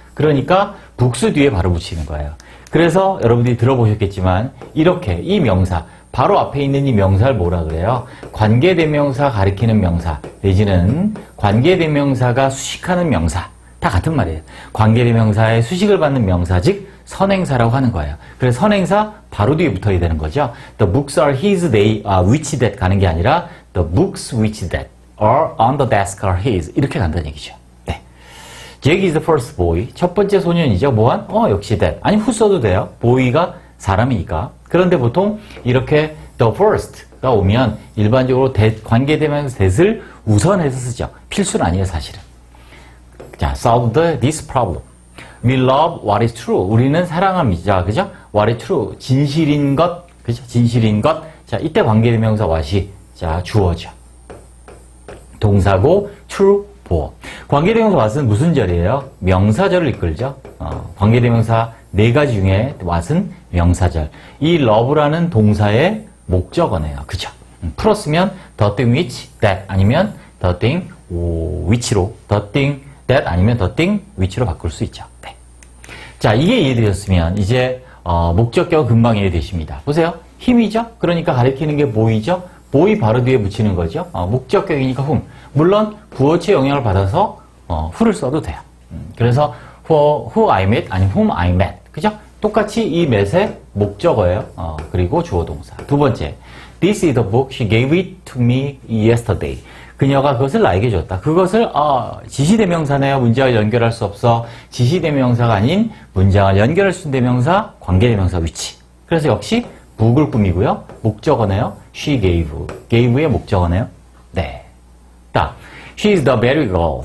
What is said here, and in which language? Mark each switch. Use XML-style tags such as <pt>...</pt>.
<ko>그러니까 books 뒤에 바로 붙이는 거예요. 그래서 여러분들이 들어보셨겠지만 이렇게 이 명사, 바로 앞에 있는 이 명사를 뭐라 그래요? 관계대명사 가리키는 명사, 내지는 관계대명사가 수식하는 명사, 다 같은 말이에요. 관계대명사의 수식을 받는 명사, 즉 선행사라고 하는 거예요. 그래서 선행사 바로 뒤에 붙어야 되는 거죠.</ko> <en>The books are his, they are which that</en> <ko>가는 게 아니라</ko> <en>The books which that are on the desk are his,</en> <ko>이렇게 간다는 얘기죠.</ko> <en>Jack is the first boy.</en> <ko>첫 번째 소년이죠. 뭐한? 역시 that. 아니, who 써도 돼요. boy가 사람이니까. 그런데 보통 이렇게 the first가 오면 일반적으로 that, 관계대명사 that을 우선해서 쓰죠. 필수는 아니에요, 사실은.</ko> <en>자, solve this problem. We love what is true.</en> <ko>우리는 사랑합니다. 그죠?</ko> <en>What is true.</en> <ko>진실인 것. 그죠? 진실인 것. 자, 이때 관계대명사 what이 자, 주어죠. 동사고 true. 관계대명사 왓은 무슨 절이에요? 명사절을 이끌죠. 관계대명사 네 가지 중에 왓은 명사절. 이 love라는 동사의 목적어네요. 그죠? 풀었으면 the thing which that 아니면 the thing which로 the thing that 아니면 the thing which로 바꿀 수 있죠. 네. 자, 이게 이해되셨으면 이제 목적격 금방 이해되십니다. 보세요. 힘이죠? 그러니까 가리키는 게 보이죠? 보이 바로 뒤에 붙이는 거죠. 목적격이니까 whom. 물론 부어체 영향을 받아서 who를 써도 돼요.</ko> <en>그래서 who I met 아니면 whom I met.</en> <ko>그죠? 똑같이 이 met의 목적어예요. 그리고 주어 동사. 두 번째.</ko> <en>This is the book she gave it to me yesterday.</en> <ko>그녀가 그것을 나에게 줬다. 그것을 지시 대명사네요. 문장을 연결할 수 없어. 지시 대명사가 아닌 문장을 연결할 수 있는 대명사, 관계 대명사 위치. 그래서 역시 book을 꾸미고요.</ko> <en>목적어네요. She gave.</en> <ko>gave의 목적어네요.</ko> <en>네. 자, she is the very girl.</en>